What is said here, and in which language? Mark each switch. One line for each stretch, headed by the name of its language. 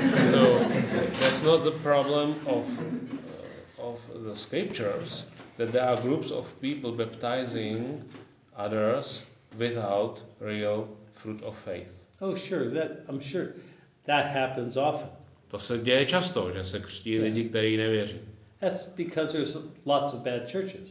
English: So, that's not the problem of the scriptures, that there are groups of people baptizing others without real fruit of faith. Oh, sure, I'm sure that happens often.
Czech: To se děje často, že se křtí lidi, kteří nevěří.
English: That's because there's lots of bad churches.